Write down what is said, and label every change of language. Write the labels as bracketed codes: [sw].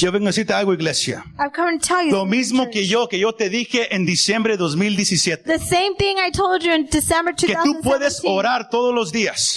[es] Yo vengo a decirte algo, iglesia. [en] I've come to tell you [es] Lo mismo que yo te dije en diciembre de 2017. [en] The same thing I told you in December 2017. [es] Que tú puedes orar todos los días.